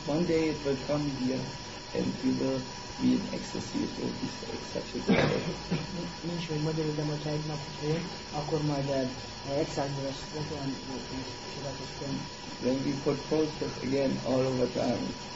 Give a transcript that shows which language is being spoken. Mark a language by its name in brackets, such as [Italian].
[English] One day it will come here and we will be in ecstasy with all these exceptions. [Hungarian] Nincs még magyarul, de majd ha egy nap jön, akkor majd egyszerűen lesz olyan csodálatos könyv. [English] Then we put posters again all over town.